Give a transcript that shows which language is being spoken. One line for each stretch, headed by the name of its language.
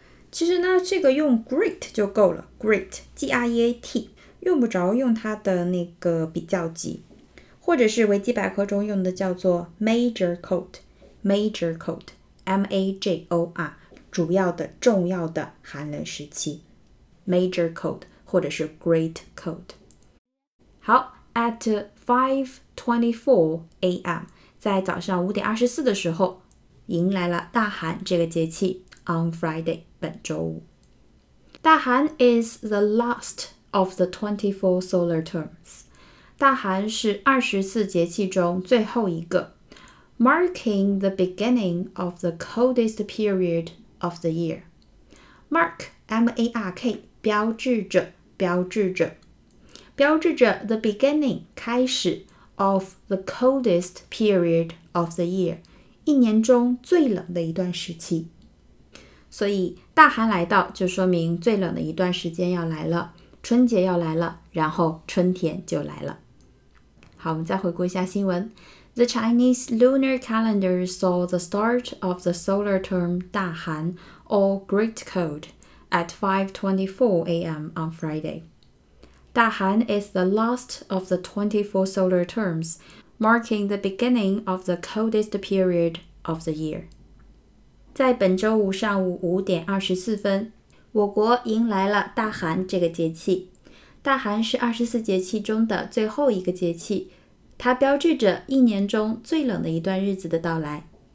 Chinese: 其实呢这个用 great 就够了 great, G-R-E-A-T,用不着用它的那个比较级或者是维基百科中用的叫做
English: major cold major cold
Chinese: M-A-J-O-R 主要的重要的寒冷时期
English: major coat 或者是 great coat。好， at 5:24 a.m.
Chinese: 在早上5:24的时候迎来了大寒这个节气，
English: on Friday
Chinese: 本周五。
English: 大寒 is the last of the 24 solar terms，
Chinese: 大寒是24节气中最后一个，
English: marking the beginning of the coldest period of the year。 Mark M-A-R-K 标志着，标志着，标志着 the beginning 开始 of the coldest period of the year，
Chinese: 一年中最冷的一段时期。所以大寒来到就说明最冷的一段时间要来了，春节要来了，然后春天就来了。好，我们再回顾一下新闻。
English: The Chinese lunar calendar saw the start of the solar term 大寒 or great cold at 5:24 a.m. on Friday. 大寒 is the last of the 24 solar terms, marking the beginning of the coldest period of the year.
Chinese: 在本周五上午5:24，我国迎来了大寒这个节气。大寒是24节气中的最后一个节气，它标志着一年中最冷的一段日子的到来。